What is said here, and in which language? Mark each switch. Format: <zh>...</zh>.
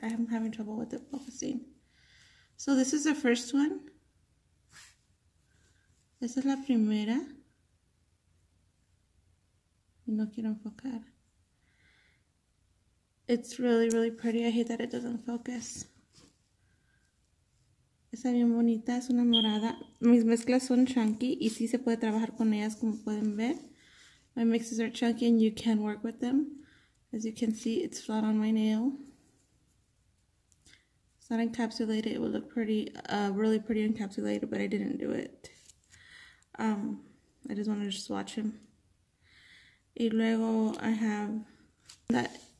<en>I'm having trouble with it focusing. So this is the first one.</en> <es>Esa es la primera. No quiero enfocar.</es> <en>It's really, really pretty. I hate that it doesn't focus.</en> <es>Está bien bonita, es una morada. Mis mezclas son chunky y sí se puede trabajar con ellas, como pueden ver.</es> <en>My mixes are chunky and you can work with them. As you can see, it's flat on my nail. It's not encapsulated. It would look pretty, really pretty encapsulated, but I didn't do it. I just wanted to swatch him.</en> <es>Y luego</es> <en>I have that.</en>